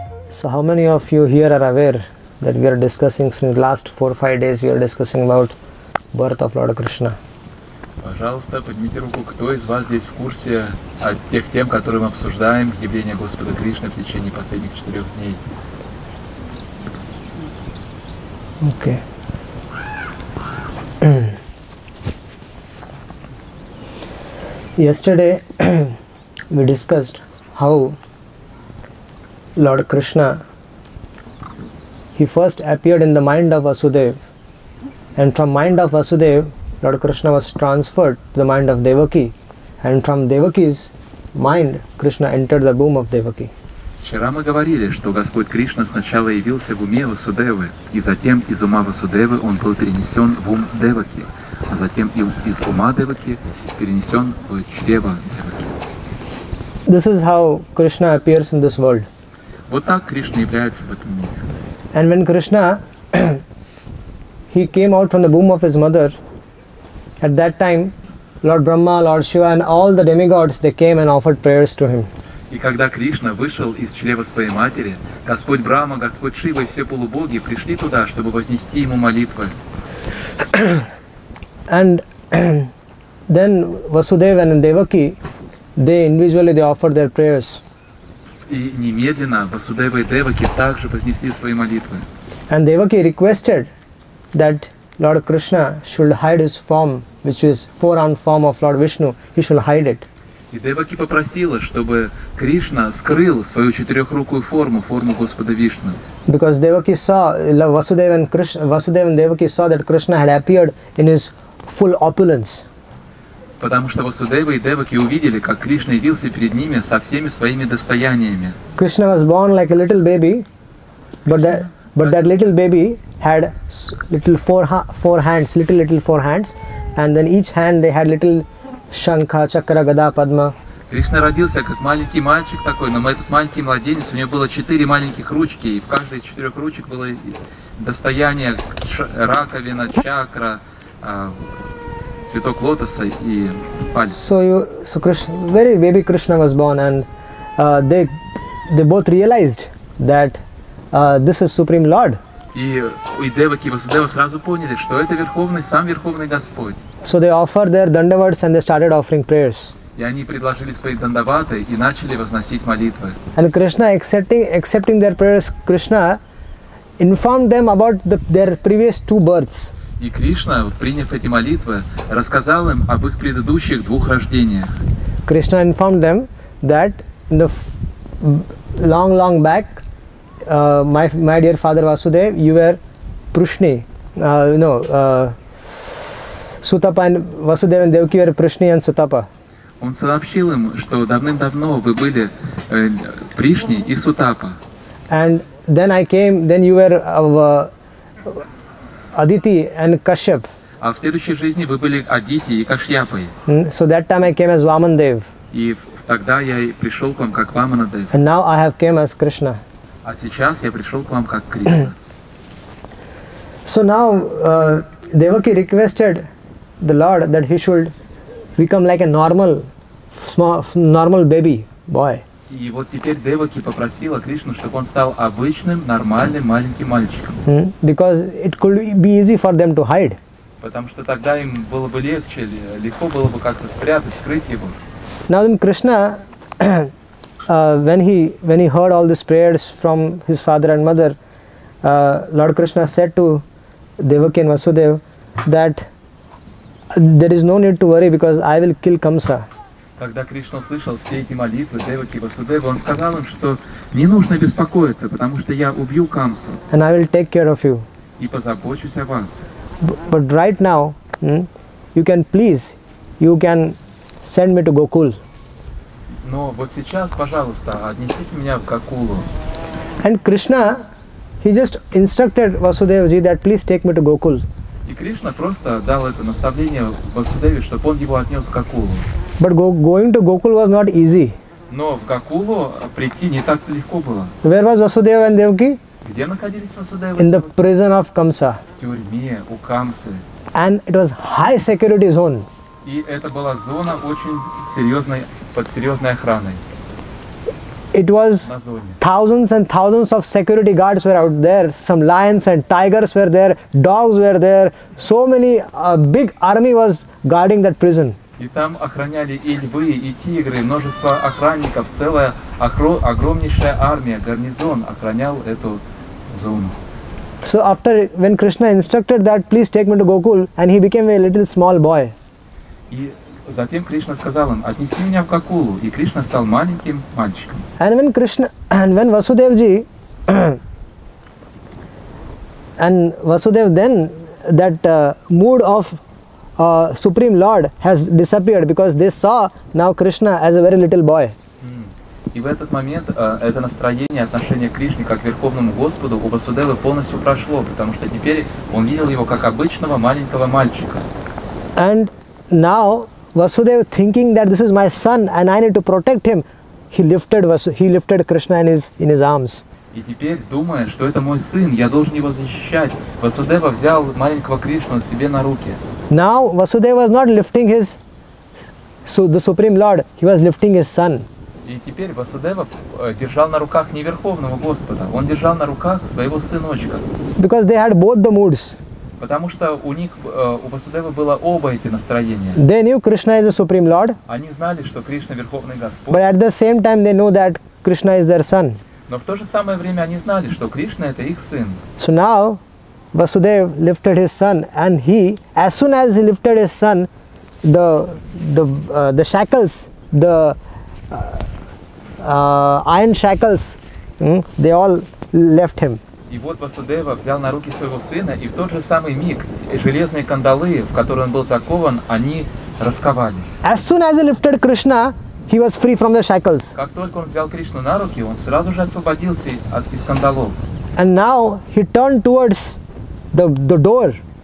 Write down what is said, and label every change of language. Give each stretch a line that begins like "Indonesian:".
English: So how many of you here are aware that we are discussing, since the last 4 or 5 days we are discussing about birth of Lord Krishna?
Russian: Пожалуйста, поднимите руку, кто из вас здесь в курсе о тех тем, которые мы обсуждаем, явление Господа Кришны в течение последних 4 дней?
English: Okay. Yesterday we discussed how Lord Krishna, he first appeared in the mind of Vasudev, and from mind of Vasudev Lord Krishna was transferred to the mind of Devaki, and from Devaki's mind Krishna entered the womb of Devaki.
Russian: Вчера мы говорили, что Господь Кришна сначала явился в уме Васудевы, и затем из ума Васудевы он был перенесен в ум Деваки, а затем из ума Деваки перенесен в чрево Деваки.
English: This is how Krishna appears in this world.
Russian: Вот так Кришна является в этом мире.
English: And when Krishna he came out from the womb of his mother, at that time Lord Brahma, Lord Shiva and all the demigods, they came and offered prayers to him.
Russian: И когда Кришна вышел из чрева своей матери, Господь Брама, Господь Шива и все полубоги пришли туда, чтобы вознести ему молитвы.
English: And then Vasudeva and Devaki, they individually they offered their prayers.
Russian: И немедленно Васудева и Деваки также вознесли свои молитвы.
English: And Devaki requested that Lord Krishna should hide his form, which is four-armed form of Lord Vishnu. He should hide it.
Russian: И Деваки попросила, чтобы Кришна скрыл свою четырехрукую форму, форму Господа Вишну.
English: Because Devaki saw, Vasudeva and Devaki saw that Krishna had appeared in his full opulence.
Russian: Потому что Васудева и Деваки увидели, как Кришна явился перед ними со всеми своими достояниями.
English: Krishna was born like a little baby, but that little baby had little four hands, little four hands, and then each hand they had little Shankha, Chakra, Gada, Padma.
Russian: Кришна родился как маленький мальчик такой, но этот маленький младенец, у него было 4 маленьких ручки, и в каждой из 4 ручек было достояние, раковина, чакра, цветок лотоса и палец.
English: So Krishna, very baby Krishna was born, and they both realized that this is Supreme Lord.
Russian: И Деваки и Васудева сразу поняли, что это Верховный, сам Верховный Господь.
English: So they offered their dandavats and they started offering prayers.
Russian: И они предложили свои дандаваты и начали возносить молитвы.
English: And Krishna accepting their prayers, Krishna informed them about their previous 2 births.
Russian: И Кришна, приняв эти молитвы, рассказал им об их предыдущих 2 рождениях.
English: Krishna informed them that in the long back, my dear father Vasudev, you were Prushni. Sutapa and Vasudev and Devaki were Prishni and Sutapa.
Russian: Он сообщил им, что давным-давно вы были Пришни и Сутапа.
English: And then I came, then you were Aditi and Kashyap.
Russian: А в следующей жизни вы были Адити и Кашьяпой.
English: So that time I came as Vamandev.
Russian: И тогда я пришел к вам как Vamanadev.
English: And now I have came as Krishna.
Russian: А сейчас я пришел к вам как Кришна.
English: So now Devaki requested the Lord that he should become like a normal, normal baby boy.
Russian: И вот теперь Деваки попросила Кришну, чтобы он стал обычным, нормальным маленьким мальчиком.
English: Because it could be easy for them to hide.
Russian: Потому что тогда им было бы легче, легко было бы как-то спрятать, скрыть его.
English: Now then Krishna, when he heard all these prayers from his father and mother, Lord Krishna said to Devaki and Vasudev that there is no need to worry because I will kill Kamsa.
Russian: Когда Кришна услышал все эти молитвы Деваки и Васудевы, он сказал им, что не нужно беспокоиться, потому что я убью Камсу.
English: And I will take care of you.
Russian: И позабочусь о вас.
English: But right now, you can send me to Gokul.
Russian: Но вот сейчас, пожалуйста, отнесите меня в Гокулу.
English: And Krishna, he just instructed Vasudevji that please take me to Gokul.
Russian: И Кришна просто дал это наставление Васудеве, чтобы он его отнес в Гокулу.
English: But going to Gokul was not easy.
Russian: Но в Гокулу прийти не так легко было.
English: Where was Vasudeva and Devaki?
Russian: Где находились Васудева?
English: In the prison of Kamsa.
Russian: В тюрьме у Камсы.
English: And it was high security zone.
Russian: И это была зона очень серьезной, под серьезной охраной.
English: it was thousands and thousands of security guards were out there. Some lions and tigers were there, dogs were there. So many, a big army was guarding that prison.
Russian: И там охраняли и львы, и тигры, множество охранников, целая огромнейшая армия, гарнизон охранял эту зону.
English: So after, when Krishna instructed that, please take me to Gokul, and he became a little small boy.
Russian: И затем Кришна сказал им, отнеси меня в Гокулу, и Кришна стал маленьким мальчиком.
English: And when Krishna, and when Vasudevji, and Vasudev then, that mood of Supreme Lord has disappeared because they saw now Krishna as a very little boy.
Russian: И в этот момент это настроение, отношение к Кришне как к Верховному Господу у Васудевы полностью прошло, потому что теперь он видел его как обычного маленького мальчика.
English: And now Vasudev, thinking that this is my son and I need to protect him, he lifted Krishna in his arms.
Russian: И теперь, думая, что это мой сын, я должен его защищать, Васудева взял маленького Кришну себе на руки.
English: Now Vasudeva was not lifting his, so the Supreme Lord, he was lifting his son.
Russian: И теперь Васудева держал на руках не Верховного Господа, он держал на руках своего сыночка.
English: Because they had both the moods.
Russian: Потому что у них, у Васудевы было оба эти настроения.
English: They knew Krishna is the Supreme Lord.
Russian: Они знали, что Кришна Верховный Господь.
English: But at the same time they knew that Krishna is their son.
Russian: Но в то же самое время они знали, что Кришна это их сын.
English: So now Vasudev lifted his son, and he, as soon as he lifted his son, the shackles, the iron shackles, they all left him.
Russian: И вот Васудева взял на руки своего сына, и в тот же самый миг железные кандалы, в которые он был закован, они расковались.
English: As soon as he lifted Krishna, he was free from the shackles.
Russian: Как только он взял Кришну на руки, он сразу же освободился от из кандалов.
English: And now he turned towards the door.